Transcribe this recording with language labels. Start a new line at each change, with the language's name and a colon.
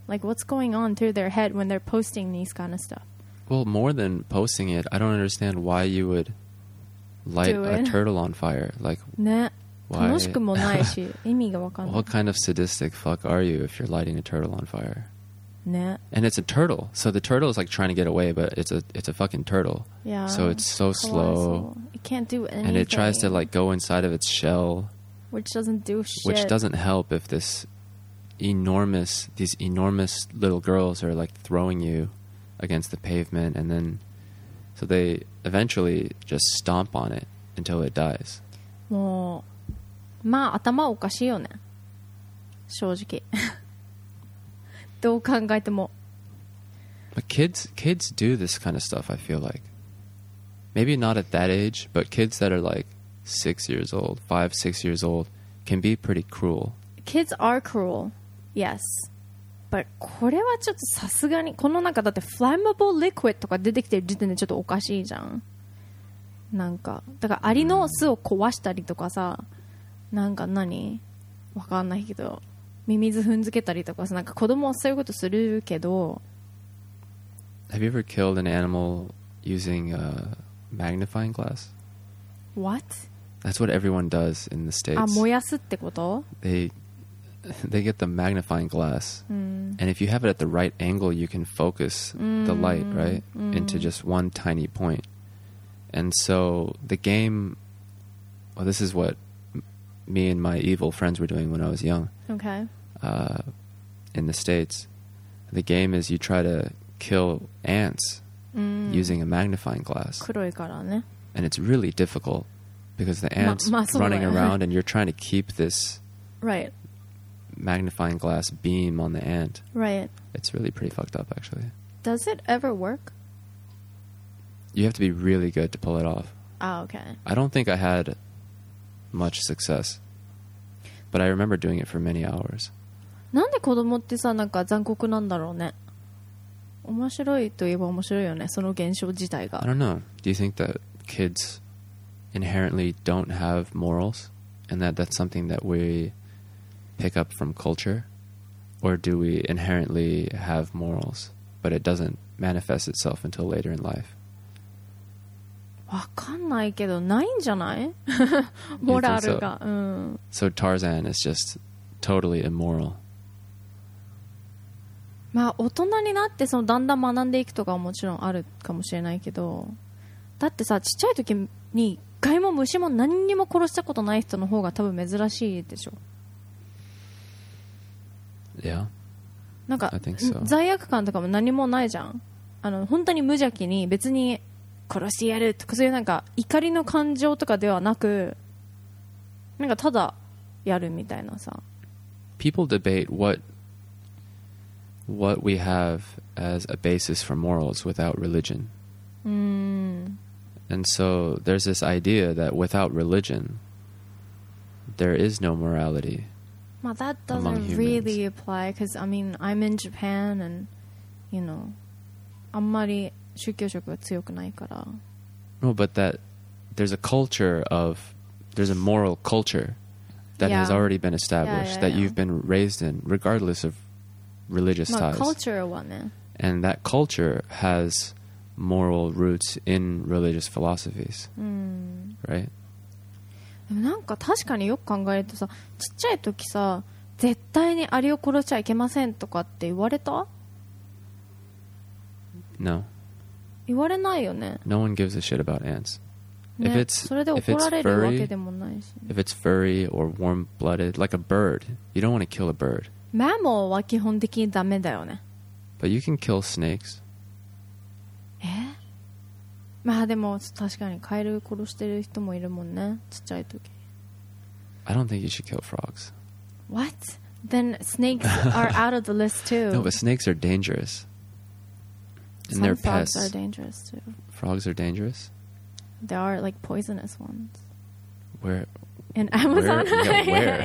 English: Like, what's going on through their head when they're posting these kind of stuff? Well, more than posting it, I don't understand why you would light a turtle on fire. Like, why?
Japanese: 楽しくもないし、意味がわかんない。
English: What kind of sadistic fuck are you if you're lighting a turtle on fire?
Japanese: ね。
English: And it's a turtle. So the turtle is like trying to get away, but it's a fucking turtle. Yeah. So it's so slow. It can't do anything. And it tries to like go inside of its shell. Which doesn't do shit. Which doesn't help if this... these enormous little girls are like throwing you against the pavement, and then so they eventually just stomp on it until it dies.
Japanese: もうまあ頭おかしいよね、正直どう考えても。
English: But kids do this kind of stuff, I feel like. Maybe not at that age, but kids that are like 6 years old, 5-6 years old can be pretty cruel. Kids are cruelYes.
Japanese: But これはちょっとさすがに、この中だってフラムボーリクイッドとか出てきてる時点でちょっとおかしいじゃん。なんか、だからアリの巣を壊したりとかさ、なんか何わかんないけど、ミミズ踏んづけたりとかさ、なんか子供はそういうことするけど。
English: Have you ever killed an animal using a magnifying glass? What? That's what everyone does in the States.
Japanese: あ、燃やすってこと？
English: They get the magnifying glass、mm. and if you have it at the right angle you can focus、mm. the light right、mm. into just one tiny point. And so the game, well, this is what me and my evil friends were doing when I was young. Okay. In the States, the game is you try to kill ants、mm. using a magnifying glass.
Japanese: 黒いからね。
English: And it's really difficult because the ants running around and you're trying to keep this right magnifying glass beam on the ant. Right. It's really pretty fucked up, actually. Does it ever work? You have to be really good to pull it off. Oh, okay. I don't think I had much success, but I remember doing it for many hours.
Japanese: なんで子供ってさ、なんか残酷なんだろうね。面白いといえば面白いよね、その現象自体が。
English: I don't know. Do you think that kids inherently don't have morals, and that's something that we... pick up from culture, or do we inherently have morals but it doesn't manifest itself until later in life?
Japanese: わかんないけどないんじゃない？モラルが、うん。
English: So Tarzan is just totally immoral.
Japanese: まあ大人になってそのだんだん学んでいくとかはもちろんあるかもしれないけど、だってさ、ちっちゃい時に害も虫も何にも殺したことない人の方が多分珍しいでしょ。
English: Yeah.
Japanese: なんか
English: I think so.
Japanese: 罪悪感とかも何もないじゃん。あの本当に無邪気に別に殺してやるとかそういうなんか怒りの感情とかではなく、なんかただやるみたいなさ。
English: People debate what we have as a basis for morals without religion. And so there's this idea that without religion, there is no morality. Well, that doesn't really apply because, I mean, I'm in Japan and, you know,
Japanese: あんまり宗教色が強くないから。
English: No, but that there's a culture of, there's a moral culture that、 yeah. has already been established yeah, yeah, that、yeah. you've been raised in, regardless of religious
Japanese: まあ、
English: ties.
Japanese: Culture はね。
English: And that culture has moral roots in religious philosophies,、 mm. right?
Japanese: でもなんか確かによく考えるとさ、ちっちゃい時さ、絶対にアリを殺しちゃいけませんとかって言われた？
English: No.
Japanese: 言われないよね。
English: No one gives a shit about ants.、
Japanese: ね、
English: if it's,
Japanese: それで怒られるわけでもないし、ね。
English: If it's furry or warm-blooded, like a bird, you don't want to kill a bird.
Japanese: マモは基本的にダメだよね。
English: But you can kill snakes.
Japanese: え？まあでも確かにカエル殺してる人もいるもんね、ちっちゃい時。
English: I don't think you should kill frogs. What? Then snakes are out of the list too. No, but snakes are dangerous. And they're pests. Some frogs are dangerous too. Frogs are dangerous? There are like poisonous ones. Where? In Amazon. Where? Yeah, where?